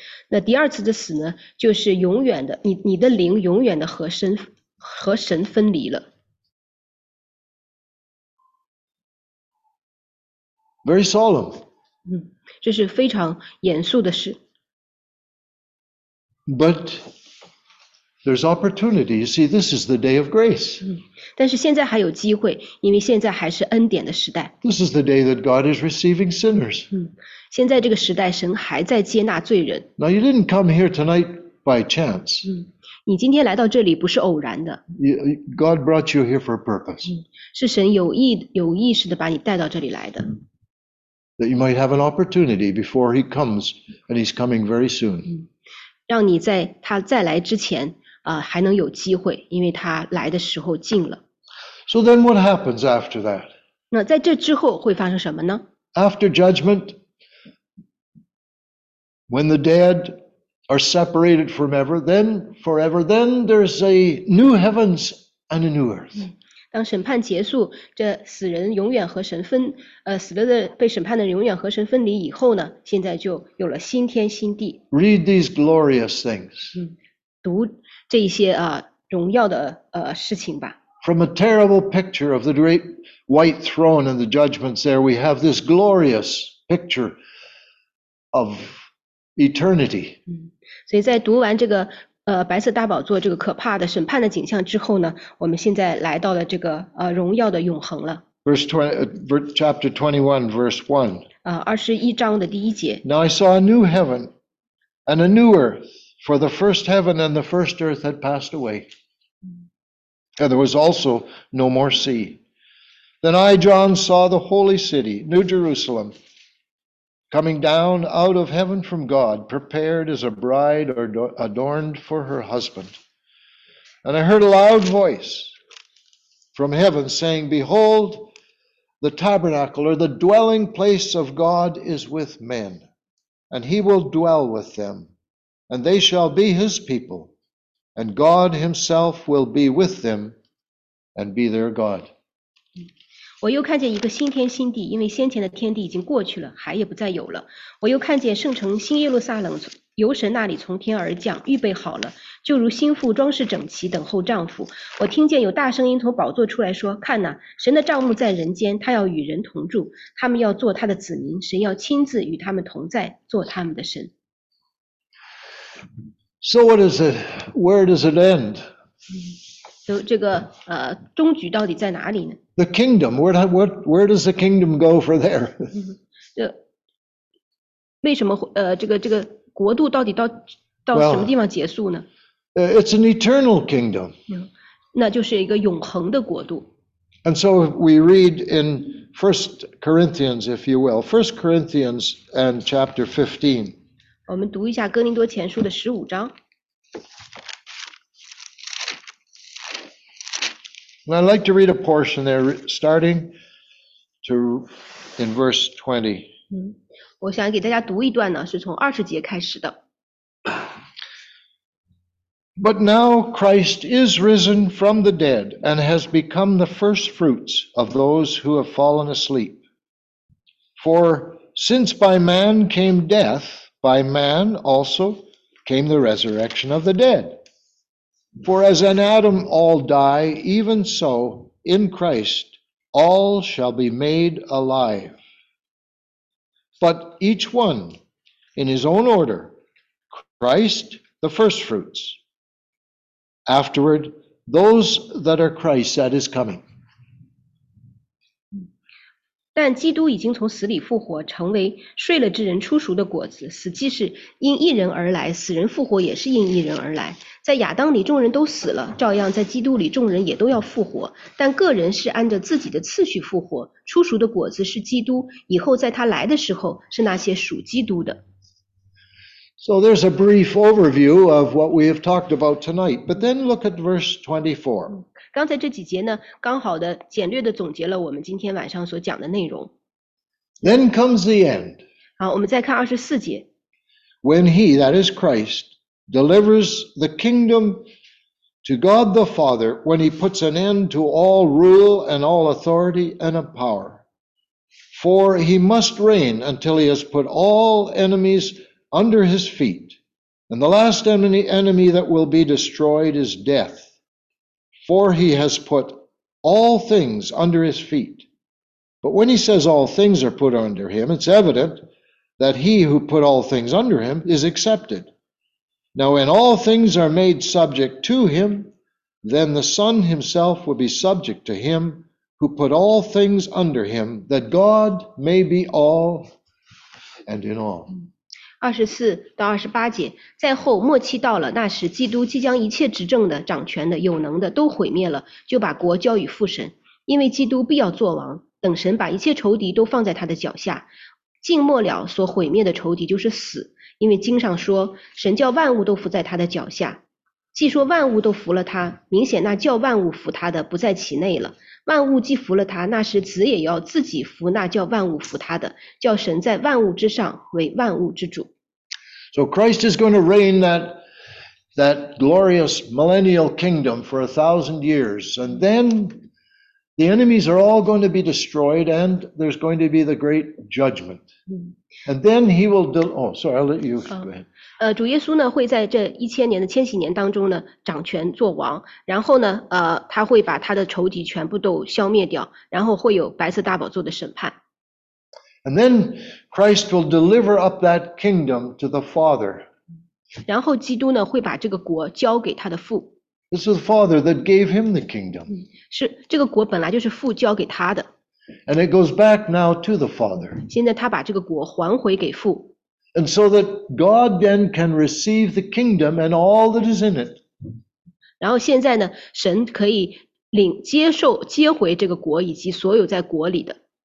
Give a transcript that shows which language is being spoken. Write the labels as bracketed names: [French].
[Chinese] 那第二次的死呢，就是永远的，你的灵永远的和神分离了。 [English] Very solemn. [Chinese] 这是非常严肃的事。 [English] But there's opportunity. You see, this is the day of grace. [Chinese] 但是现在还有机会，因为现在还是恩典的时代。 [English] This is the day that God is receiving sinners. [Chinese] 现在这个时代，神还在接纳罪人。 [English] Now you didn't come here tonight by chance. [Chinese] 你今天来到这里不是偶然的。 [English] God brought you here for a purpose. [Chinese] 是神有意识的把你带到这里来的。 [English] That you might have an opportunity before he comes, and he's coming very soon. [Chinese] 让你在他再来之前，还能有机会，因为他来的时候近了。 [English] So then what happens after that? [Chinese] 那在这之后会发生什么呢？ [English] After judgment, when the dead are separated forever, then forever, then there's a new heavens and a new earth. [Chinese] 当审判结束，这死人永远和神分，死了的被审判的人永远和神分离以后呢，现在就有了新天新地。 [English] Read these glorious things. [Chinese] 读这些荣耀的事情吧。 [English] From a terrible picture of the great white throne and the judgments there, we have this glorious picture of eternity. [Chinese] 所以在读完这个。白色大宝座这个可怕的审判的景象之后呢，我们现在来到了这个荣耀的永恒了。 [English] Chapter 21, verse 1. [Chinese] 21章的第一节。 [English] Now I saw a new heaven and a new earth, for the first heaven and the first earth had passed away. And there was also no more sea. Then I, John, saw the holy city, New Jerusalem. Coming down out of heaven from God, prepared as a bride adorned for her husband. And I heard a loud voice from heaven saying, Behold, the tabernacle or the dwelling place of God is with men, and he will dwell with them, and they shall be his people, and God himself will be with them and be their God. [Chinese] 我又看见一个新天新地，因为先前的天地已经过去了，海也不再有了。我又看见圣城新耶路撒冷由神那里从天而降，预备好了，就如心腹装饰整齐，等候丈夫。我听见有大声音从宝座出来说，看哪，神的帐幕在人间，他要与人同住，他们要做他的子民，神要亲自与他们同在，做他们的神。 [English] So what is it? Where does it end? [Chinese] 这个终局到底在哪里呢？ [English] The kingdom. Where does the kingdom go from there? [Chinese] 为什么这个国度到底到什么地方结束呢？ [English] Well, it's an eternal kingdom. [Chinese] 那就是一个永恒的国度。 [English] And so we read in 1 Corinthians, if you will, 1 Corinthians and chapter 15. [Chinese] 我们读一下哥林多前书的十五章。 [English] And I'd like to read a portion there, starting in verse 20. [Chinese] 我想给大家读一段呢，是从二十节开始的。 [English] But now Christ is risen from the dead and has become the first fruits of those who have fallen asleep. For since by man came death,By man also came the resurrection of the dead. For as in Adam all die, even so in Christ all shall be made alive. But each one in his own order, Christ the firstfruits. Afterward, those that are Christ's that is coming. [Chinese] 但基督已经从死里复活，成为睡了之人出熟的果子。死既是因一人而来，死人复活也是因一人而来。在亚当里众人都死了，照样在基督里众人也都要复活。但个人是按着自己的次序复活，出熟的果子是基督，以后在他来的时候是那些属基督的。 [English] So there's a brief overview of what we have talked about tonight, but then look at verse 24. [Chinese] 刚才这几节呢，刚好的简略的总结了我们今天晚上所讲的内容。 [English] Then comes the end. [Chinese] 好，我们再看24节。 [English] When he, that is Christ, delivers the kingdom to God the Father, when he puts an end to all rule and all authority and of power. For he must reign until he has put all enemies under his feet, and the last enemy that will be destroyed is death, for he has put all things under his feet. But when he says all things are put under him, it's evident that he who put all things under him is accepted. Now when all things are made subject to him, then the Son himself will be subject to him who put all things under him, that God may be all and in all. [Chinese] 24-28节，在后末期到了，那时基督即将一切执政的、掌权的、有能的都毁灭了，就把国交与父神，因为基督必要作王，等神把一切仇敌都放在他的脚下。近末了所毁灭的仇敌就是死，因为经上说，神叫万物都伏在他的脚下。既说万物都服了他，明显那叫万物服他的不在其内了。万物既服了他，那时子也要自己服那叫万物服他的，叫神在万物之上为万物之主。 [English] So Christ is going to reign that glorious millennial kingdom for 1,000 years, and then the enemies are all going to be destroyed, and there's going to be the great judgment. And then he will I'll let you go ahead. [Chinese] 主耶稣呢会在这一千年的千禧年当中呢掌权做王，然后呢他会把他的仇敌全部都消灭掉，然后会有白色大宝座的审判。 [English] And then Christ will deliver up that kingdom to the Father. [Chinese] 然后基督呢会把这个国交给他的父。 [English] This is the Father that gave him the kingdom. [Chinese] 是这个国本来就是父交给他的。 [English] And it goes back now to the Father. [Chinese] 现在他把这个国还回给父。 [English] And so that God then can receive the kingdom and all that is in it. [Chinese] 然后现在呢，神可以接回这个国以及所有在国里的。